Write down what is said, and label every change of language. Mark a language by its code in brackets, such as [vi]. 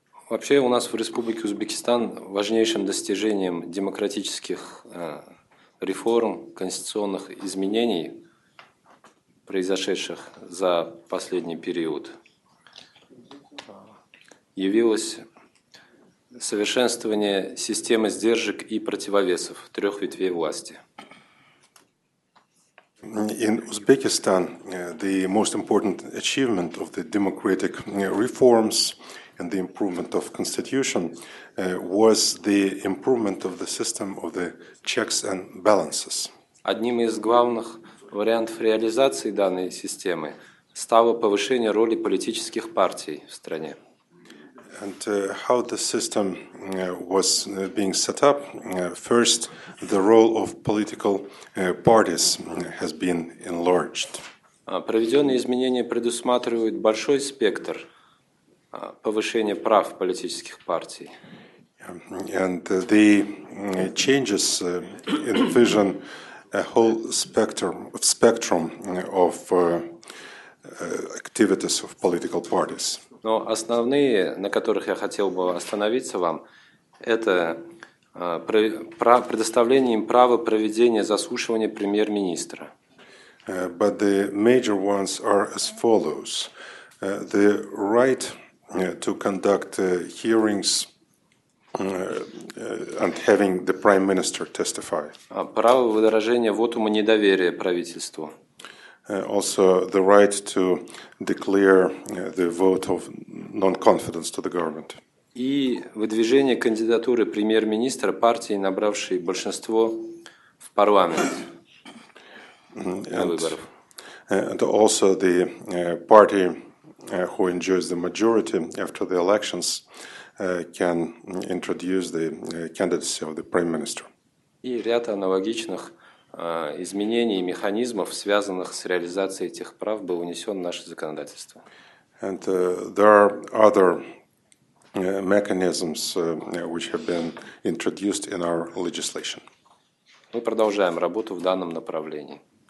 [ru] Вообще у нас в Республике Узбекистан важнейшим достижением демократических реформ, конституционных изменений, произошедших за последний период, явилось совершенствование системы сдержек и противовесов трех ветвей власти. [en] In Uzbekistan, the most important achievement of the democratic reforms and the improvement of constitution was the improvement of the system of the checks and balances. [ru] Одним из главных вариантов реализации данной системы стало повышение роли политических партий в стране. [en] And how the system was being set up. First, the role of political parties has been enlarged. [ru] Проведенные изменения предусматривают большой спектр повышения прав политических партий. [en] And the changes envision a whole spectrum of activities of political parties. [ru] Но основные, на которых я хотел бы остановиться вам, это предоставление им права проведения заслушивания премьер-министра. [en] But the major ones are as follows. The right to conduct hearings and having the prime minister testify. [ru] Право выражения вотума недоверия правительству. [en] Also, the right to declare the vote of non-confidence to the government. [ru] И выдвижение кандидатуры премьер-министра партии, набравшей большинство в парламенте. [en] And also the party who enjoys the majority after the elections can introduce the candidacy of the prime minister. [ru] И ряд аналогичных изменений и механизмов, связанных с реализацией этих прав, был внесен в наше законодательство. [en] And there are other mechanisms which have been introduced in our legislation. [ru] Мы продолжаем работу в данном направлении.